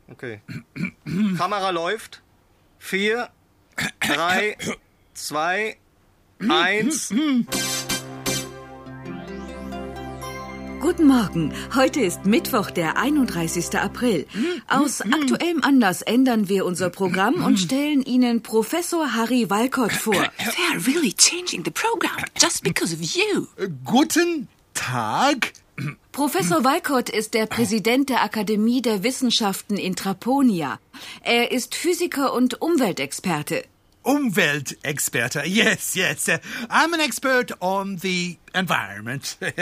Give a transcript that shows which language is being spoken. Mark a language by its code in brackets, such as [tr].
[de] Okay. Kamera läuft. Vier, drei, zwei, eins. Guten Morgen. Heute ist Mittwoch, der 31. April. Aus aktuellem Anlass ändern wir unser Programm und stellen Ihnen Professor Harry Walcott vor. [en] They are really changing the program just because of you. [de] Guten Tag. Professor Walcott ist der Präsident der Akademie der Wissenschaften in Traponia. Er ist Physiker und Umweltexperte. [en] Umweltexperte. Yes, yes. I'm an expert on the environment.